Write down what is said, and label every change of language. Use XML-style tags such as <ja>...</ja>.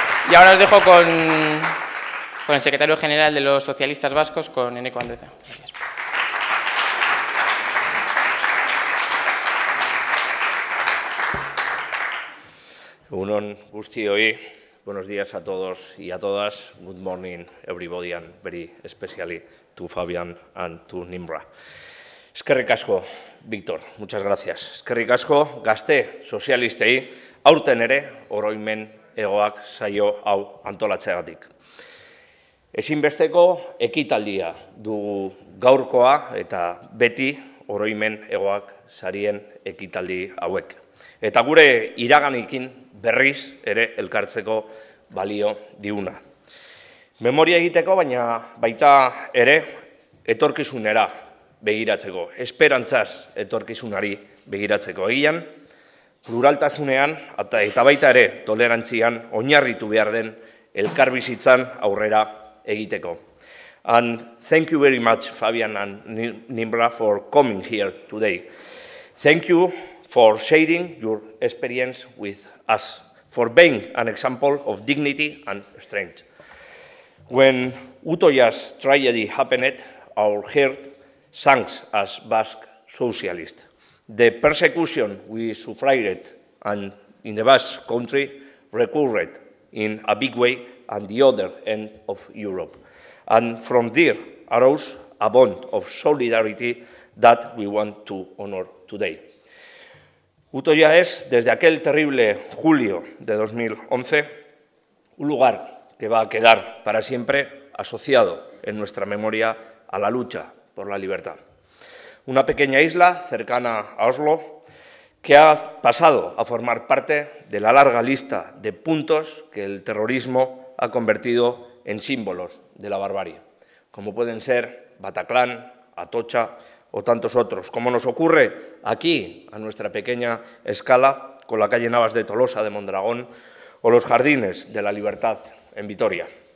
<es>Y ahora os dejo con el secretario general de los socialistas vascos, con Eneko Andueza. Gracias.</es> <eu>Egunon guztioi,</eu> <es>buenos días a todos y a todas.</es> <en>Good morning, everybody, and very especially to Fabian and to Nimra.</en> <eu>Eskerrik asko, Víctor,</eu> <es>muchas gracias.</es> <eu>Eskerrik asko, gazte sozialistei, aurten ere, oroimen egoak saio hau antolatzeagatik. Ezinbesteko ekitaldia dugu gaurkoa eta beti oroimen egoak sarien ekitaldi hauek. Eta gure iraganekin berriz ere elkartzeko balio diuna. Memoria egiteko, baina baita ere etorkizunera begiratzeko, esperantzaz etorkizunari begiratzeko. Egian, pluraltasunean eta baita ere tolerantzian oinarritu behar den elkarbizitzan aurrera egiteko.</eu> <en>And thank you very much, Fabian and Nimra, for coming here today. Thank you for sharing your experience with us, for being an example of dignity and strength. When Utoya's tragedy happened, our heart sank as Basque socialists. The persecution we suffered and in the Basque country recurred in a big way on the other end of Europe. And from there arose a bond of solidarity that we want to honor today.</en> <es>Utoya es, desde aquel terrible julio de 2011, un lugar que va a quedar para siempre asociado en nuestra memoria a la lucha por la libertad. Una pequeña isla cercana a Oslo que ha pasado a formar parte de la larga lista de puntos que el terrorismo ha convertido en símbolos de la barbarie, como pueden ser Bataclan, Atocha o tantos otros, como nos ocurre aquí a nuestra pequeña escala con la calle Navas de Tolosa de Mondragón o los Jardines de la Libertad en Vitoria.</es>